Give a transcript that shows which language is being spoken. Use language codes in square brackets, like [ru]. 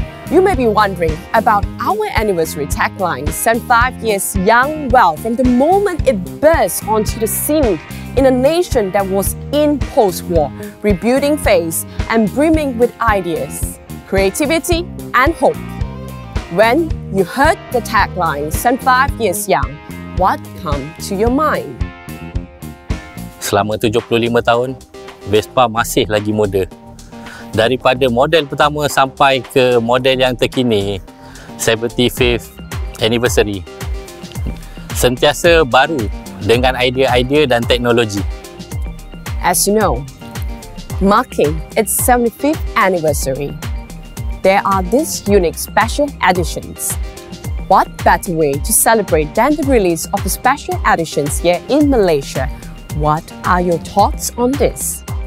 [en] You may be wondering about our anniversary tagline, 75 years young, well, from the moment it burst onto the scene in a nation that was in post-war, rebuilding phase and brimming with ideas, creativity and hope. When you heard the tagline, 75 years young, what come to your mind? [ms] Selama 75 tahun, Vespa masih lagi muda. Daripada model pertama sampai ke model yang terkini, [en] 75th anniversary. [ms] Sentiasa baru dengan idea-idea dan teknologi. [en] As you know, marking its 75th anniversary, there are these unique special editions. What better way to celebrate than the release of the special editions here in Malaysia? What are your thoughts on this?